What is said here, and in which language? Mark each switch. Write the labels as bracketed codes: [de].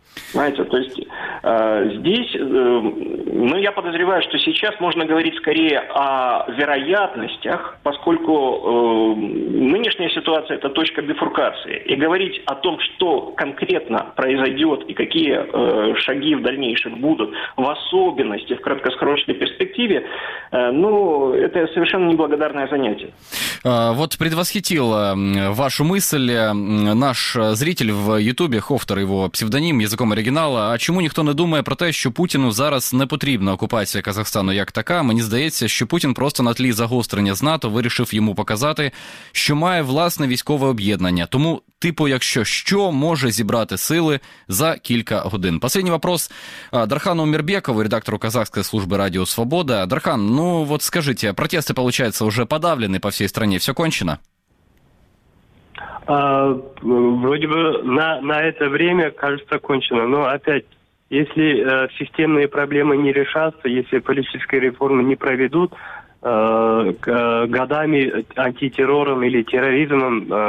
[ru] Знаете, то есть здесь, ну, я подозреваю, что сейчас можно говорить скорее о вероятностях, поскольку нынешняя ситуация – это точка бифуркации. И говорить о том, что конкретно произойдет и какие шаги в дальнейшем будут, в особенности в краткосрочной перспективе, ну, это совершенно неблагодарное занятие. Вот предвосхитил вашу мысль наш зритель в Ютубе, Хофтер, его псевдоним, языком оригинала, [uk] а чому ніхто не думає про те, що Путіну зараз не потрібна окупація Казахстану як така? Мені здається, що Путін просто на тлі загострення з НАТО вирішив йому показати, що має власне військове об'єднання. Тому, типу, якщо що, може зібрати сили за кілька годин. Останній вопрос Дархану Мірбекову, редактору Казахської служби Радіо Свобода. Дархан, ну от скажіть, протести, виходить, вже подавлені по всій країні, все кончено? [ru] Вроде бы на это время кажется кончено, но опять, если системные проблемы не решатся, если политические реформы не проведут, годами антитеррором или терроризмом